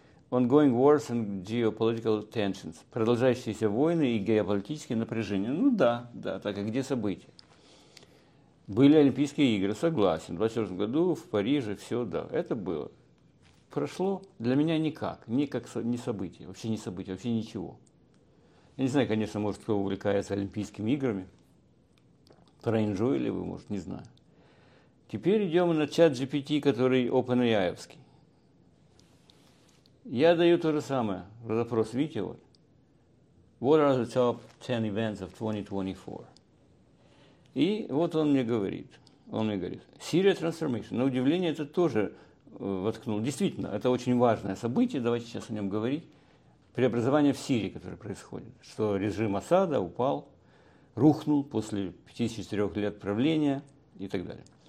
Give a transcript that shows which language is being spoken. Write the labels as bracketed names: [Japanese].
[English] Ongoing wars and geopolitical tensions. [Russian] Продолжающиеся войны и геополитические напряжения. Ну да. Так, а где события? Были Олимпийские игры, согласен. В 24 году в Париже все, да. Это было. Прошло для меня никак. Никак не событие. Вообще не событие. Вообще ничего. Я не знаю, конечно, может, кто увлекается Олимпийскими играми. Проинжоили вы, может, не знаю. Теперь идем на чат GPT, который OpenAI-овский. Я даю то же самое за запрос видео. Вот. [English] What are the top 10 events of 2024? [Russian] И вот он мне говорит. [English] Syria Transformation. [Russian] На удивление, это тоже воткнул. Действительно, это очень важное событие. Давайте сейчас о нем говорить. Преобразование в Сирии, которое происходит. Что режим Асада упал, рухнул после 54 лет правления и так далее.